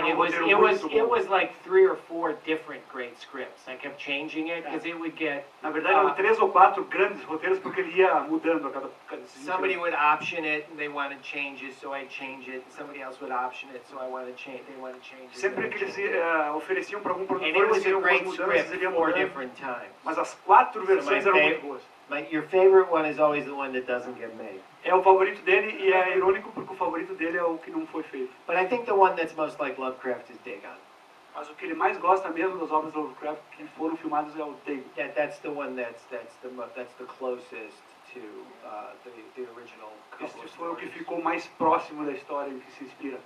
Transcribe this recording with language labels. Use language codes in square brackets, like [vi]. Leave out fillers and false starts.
[en] and it was like three or four different great scripts. I kept changing it because it would get. [pt] Na verdade, eram três ou quatro grandes roteiros porque ele ia mudando a cada. [en] Somebody would option it and they wanted changes, so I'd change it. Somebody else would option it, so I wanted change. They wanted changes. [pt] Sempre que eles ofereciam para algum produtor, [en] and it was [pt] eles [en] a great script [pt] mudando, [en] four different times. [pt] Mas as quatro versões [en] so [pt] eram muito boas. [en] But your favorite one is always the one that doesn't get made. [pt] É o favorito dele e é irônico porque o favorito dele é o que não foi feito. [en] But I think the one that's most like Lovecraft is Dagon. [pt] Mas o que ele mais gosta mesmo das obras do Lovecraft que foram filmadas é o Dagon. [en] Yeah, that's the one that's the closest to the original. [pt] Este foi o que ficou mais próximo da história em que se inspira.